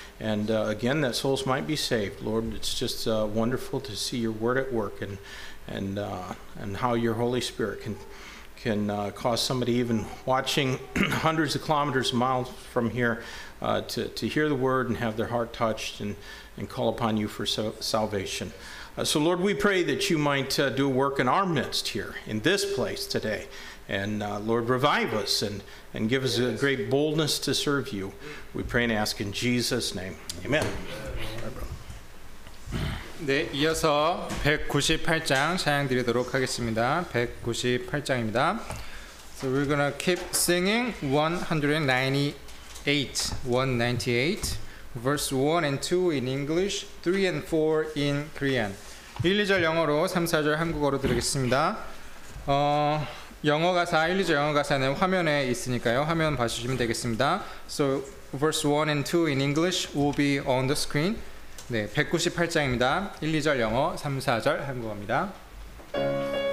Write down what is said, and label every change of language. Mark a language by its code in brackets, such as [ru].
[en] And again, that souls might be saved. Lord, it's just wonderful to see your word at work and how your Holy Spirit can cause somebody even watching hundreds of kilometers, miles from here to hear the word and have their heart touched and call upon you for salvation. So Lord, we pray that you might do a work in our midst here, in this place today. And Lord, revive us and give us a great boldness to serve you. We pray and ask in Jesus' name. Amen. [ko] 네, 이어서 198장 찬양 드리도록 하겠습니다. 198장입니다. [en] So we're gonna keep singing 198, verse 1 and 2 in English, 3 and 4 in Korean. [ko] 1, 2절 영어로, 3, 4절 한국어로 드리겠습니다. 영어 가사, 1, 2절 영어 가사는 화면에 있으니까요. 화면 봐주시면 되겠습니다. [en] So verse 1 and 2 in English will be on the screen. [ko] 네, 198장입니다. 1, 2절 영어, 3, 4절 한국어입니다.